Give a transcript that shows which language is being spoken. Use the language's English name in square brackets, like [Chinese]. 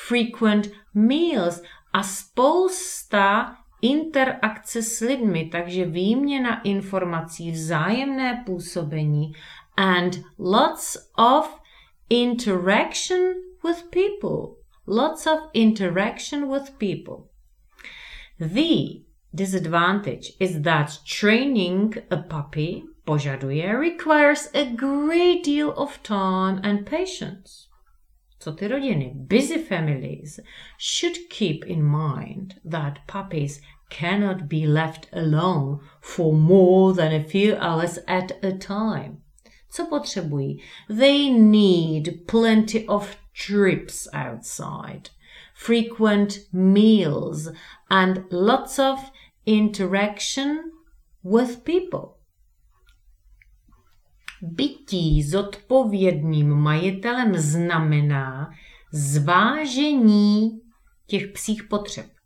[English] Frequent meals. [Czech] A spousta interakce s lidmi, takže výměna informací, vzájemné působení [English] and lots of interaction with people. The disadvantage is that training a puppy požaduje requires a great deal of time and patience. [Czech] Co ty rodiny? [English] Busy families should keep in mind that puppies cannot be left alone for more than a few hours at a time. [Czech] Co potřebují? [English] They need plenty of trips outside, frequent meals and lots of interaction with people. [Czech] Bytí zodpovědným majitelem znamená zvážení těch psích potřeb.